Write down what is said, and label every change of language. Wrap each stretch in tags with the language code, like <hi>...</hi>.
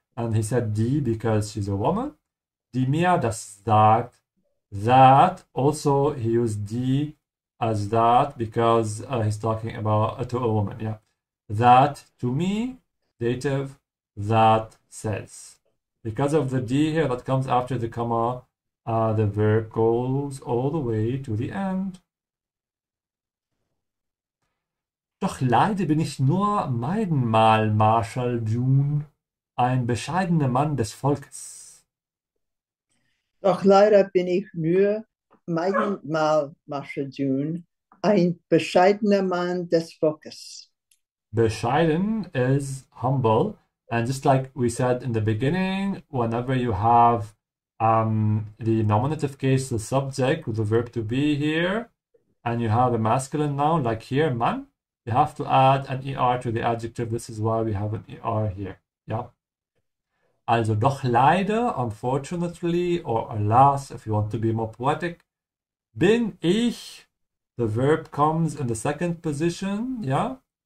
<en>And he said die because she's a woman.</en> <de>Die mir das sagt,</de> <en>that, also he used die as that because he's talking about to a woman, yeah. That to me, dative, that says. Because of the die here that comes after the comma, the verb goes all the way to the end.</en> <de>Doch leider bin ich nur Meidenmal Marshal Dun, ein bescheidener Mann des Volkes. Doch leider bin ich nur Meidenmal Marshal Dun, ein bescheidener Mann des Volkes.</de> <en>Bescheiden is humble. And just like we said in the beginning, whenever you have the nominative case, the subject with the verb to be here, and you have a masculine noun like here, man, you have to add an er to the adjective. This is why we have an er here. Yeah. Also, doch leider, unfortunately, or alas, if you want to be more poetic, bin ich, the verb comes in the second position, yeah?</en>